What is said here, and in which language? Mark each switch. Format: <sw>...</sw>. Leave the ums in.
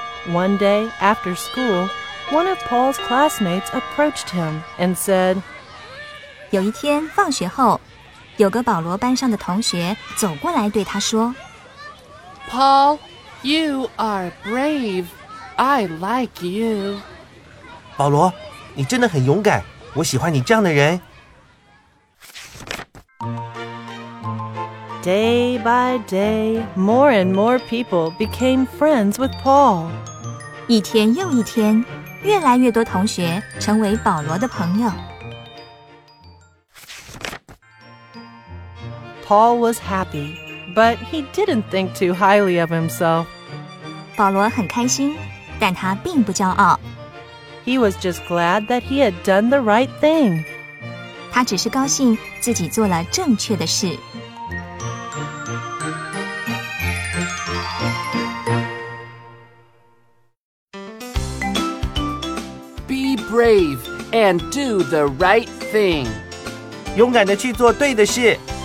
<en>One day, after school, one of Paul's classmates approached him and said,</en> <zh>有一天放学后，有个保罗班上的同学走过来对他说：“</zh> <en>Paul, you are brave. I like you.”</en> <zh>保罗，你真的很勇敢，我喜欢你这样的人。</zh> <en>Day by day, more and more people became friends with Paul.</en> <zh>一天又一天，越来越多同学成为保罗的朋友。</zh> <en>Paul was happy, but he didn't think too highly of himself.</en> <zh>保罗很开心，但他并不骄傲。</zh> <en>He was just glad that he had done the right thing.</en> <zh>他只是高兴自己做了正确的事。</zh> <en>brave and do the right thing. Tears, tears.</en> <zh>Friend, 勇敢的去做对的事。</zh>